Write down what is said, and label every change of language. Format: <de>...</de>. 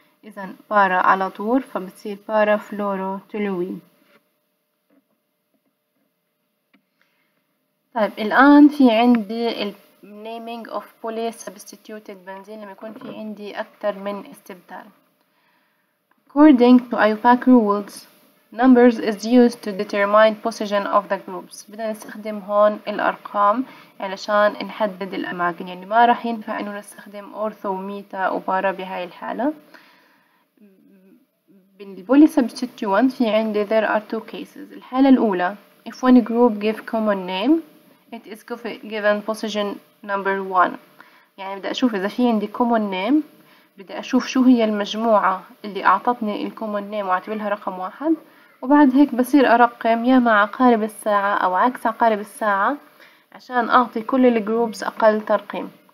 <ar>إذا para على طول فبتصير para fluoro toluene. طيب الآن في عندي ال naming of poly substituted benzene لما يكون في عندي أكثر من استبدال.</ar> <en>According to IUPAC rules, numbers is used to determine position of the groups.</en> <ar>بدنا نستخدم هون الأرقام علشان نحدد الأماكن. يعني ما راح ينفع إنه نستخدم ortho, meta, وبارا بهاي الحالة. بالبولي سبستيتوانت في عندي</ar> <en>there are two cases.</en> <ar>الحالة الأولى</ar> <en>if one group give common name, it is given position number one.</en> <ar>يعني بدي أشوف إذا في عندي common name. بدي أشوف شو هي المجموعة اللي أعطتني الـ common name وأعتبرها رقم واحد، وبعد هيك بصير أرقم يا مع عقارب الساعة أو عكس عقارب الساعة عشان أعطي كل الـ groups أقل ترقيم.</ar>